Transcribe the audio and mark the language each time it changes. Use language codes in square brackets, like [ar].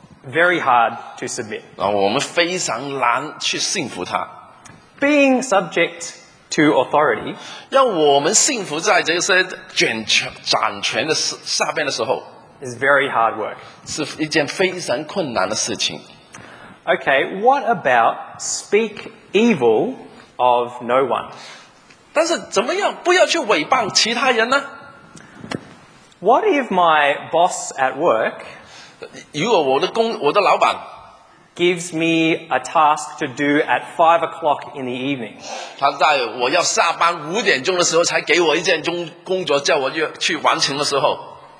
[en] very hard to submit. [zh] 我们非常难去信服他。 [en] Being subject to authority, [zh] 让我们信服在这些掌权的下边的时候， [en] is very hard work. [zh] 是一件非常困难的事情。 [en] Okay, what about speak evil of no one? [zh] 但是怎么样不要去诽谤其他人呢？ [en] What if my boss at work, [zh] 如果我的老板 [en] gives me a task to do at 5 o'clock in the evening? [zh] 他在我要下班五点钟的时候才给我一件工作叫我去完成的时候。